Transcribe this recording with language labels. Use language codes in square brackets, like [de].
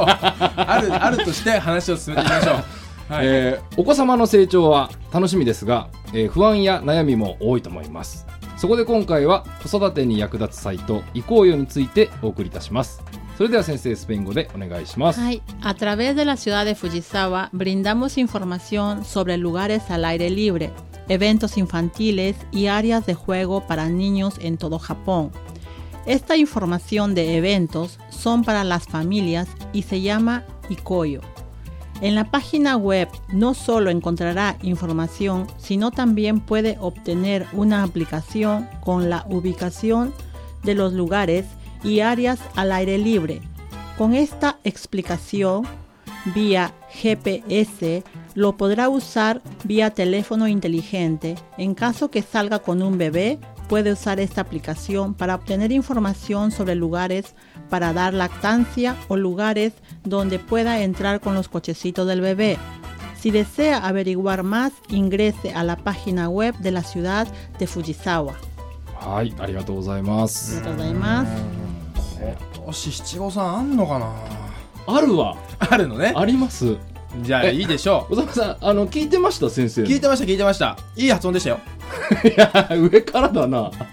[ja] あるとして話を進めていきましょう。はい。お子様の成長は楽しみですが、不安や悩みも多いと思います。そこで今回は子育てに役立つサイト移行よについてお送りいたします。それでは先生、スペイン語でお願いします。はい。 [es] A través de la ciudad de Fujisawa brindamos información sobre lugares al aire libre, eventos infantiles y áreas de juego para niños en todo Japón. Esta información de eventos son para las familias y se llama Ikoyo. En la página web no solo encontrará información, sino también puede obtener una aplicación con la ubicación de los lugares y áreas al aire libre. Con esta explicación, vía GPS, lo podrá usar vía teléfono inteligente. En caso que salga con un bebé, puede usar esta aplicación para obtener información sobre lugares para dar lactancia o lugares donde pueda entrar con los cochecitos del bebé. Si desea averiguar más, ingrese a la página web de la ciudad de Fujisawa. [ja] はい、ありがとうございます。ありがとうございます。今年七五三あんのかな。あるわ。あるのね。あります。じゃあいいでしょう。小坂さん、あの、聞いてました。先生聞いてました。聞いてました。いい発音でしたよ。いや、上からだな。